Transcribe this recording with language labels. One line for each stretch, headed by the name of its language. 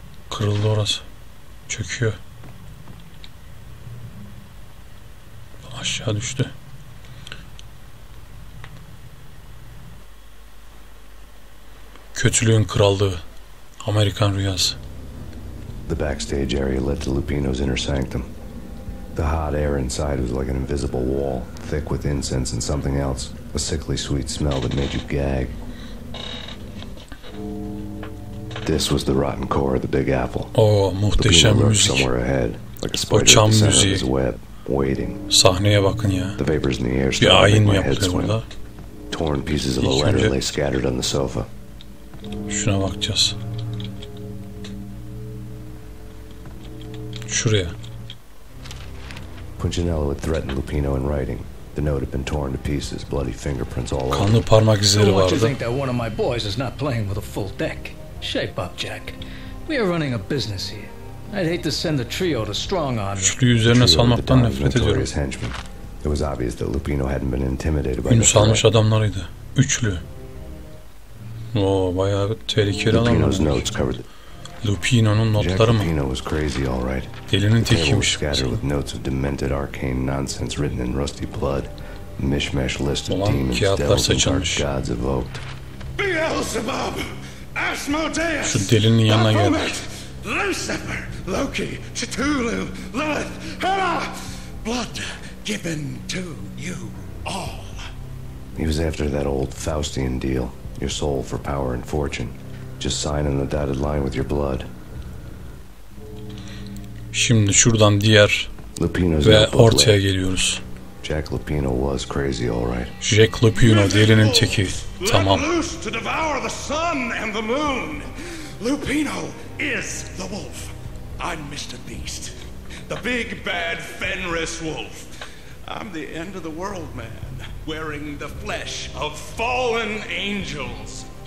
Turkish: Kırıldı orası. Çöküyor. Aşağı düştü. Kötülüğün krallığı, Amerikan rüyası.
English: The backstage area led to Lupino's inner sanctum. The hot air inside was like an invisible wall, thick with incense and something else, a sickly sweet smell that made you gag. This was the rotten core of the Big Apple.
Turkish: Oh, muhteşem müzik.
English: Somewhere ahead, like a spider in the center of his web, waiting.
Turkish: Sahneye bakın ya.
English: The vapors in the air started to make my head swim. Torn pieces of a letter lay scattered on the sofa.
Turkish: Şuna bakacağız. Şuraya.
English: Punchinello had threatened Lupino in writing. The note had been torn to pieces, bloody fingerprints all over.
Turkish: Kanlı parmak izleri vardı.
English: Don't you think that one of my boys is not playing with a full deck? Shape up, Jack. We are running a business here. I'd hate to send the trio to strong arm.
Turkish: Şükrü üzerine salmaktan nefret ediyorum.
English: It was obvious that Lupino hadn't been intimidated by
Turkish: the salmış adamlarıydı. Üçlü. Oo, bayağı bir tehlikeli adam. Lupino'nun notları mı?
English: Lupino was crazy, all right.
Turkish: Delinin tekiymiş.
English: Scattered with notes of demented arcane nonsense written in rusty blood, mishmash list of demons, devils, and gods evoked. Beelzebub, I Asmodeus.
Turkish: Şu delinin yanına geldik.
English: Lucifer, Loki, Cthulhu, Lilith, Hera. Blood given to you all. He was after that old Faustian deal. Your soul for power and fortune. Just sign in the dotted line with your blood.
Turkish: Şimdi şuradan diğer Lupino's ve ortaya geliyoruz.
English: Jack Lupino was crazy, all right.
Turkish: Jack Lupino, delinin teki. Tamam.
English: Let loose to devour the sun and the moon. Lupino is the wolf. I'm Mr. Beast. The big bad Fenris wolf. I'm the end of the world man, wearing the flesh of fallen angels.